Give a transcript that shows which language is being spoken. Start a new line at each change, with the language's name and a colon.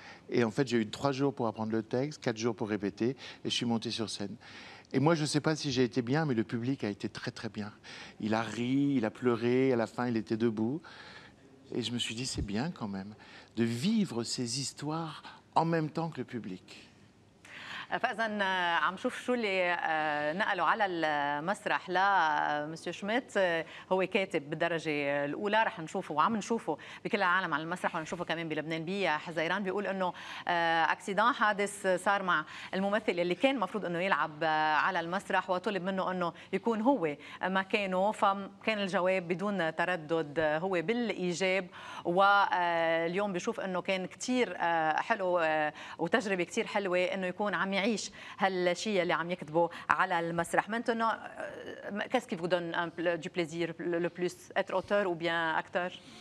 French: Et en fait, j'ai eu 3 jours pour apprendre le texte, 4 jours pour répéter, et je suis monté sur scène. Et moi, je ne sais pas si j'ai été bien, mais le public a été très, très bien. Il a ri, il a pleuré, à la fin, il était debout. Et je me suis dit, c'est bien quand même de vivre ces histoires en même temps que le public.
Arabic: فإذن عم شوف شو اللي نقلوا على المسرح لا مسيو شميت هو كاتب بالدرجة الأولى رح نشوفه وعم نشوفه بكل العالم على المسرح ونشوفه كمان بلبنان بيا حزيران بيقول أنه أكسيدان حادث صار مع الممثل اللي كان مفروض أنه يلعب على المسرح وطلب منه أنه يكون هو مكانه فكان الجواب بدون تردد هو بالإيجاب واليوم بيشوف أنه كان كتير حلو وتجربة كتير حلوة أنه يكون عم يعيش هالشيء اللي عم يكتبه على المسرح.
French: Maintenant, qu'est-ce qui vous donne du plaisir le plus, être auteur ou bien acteur?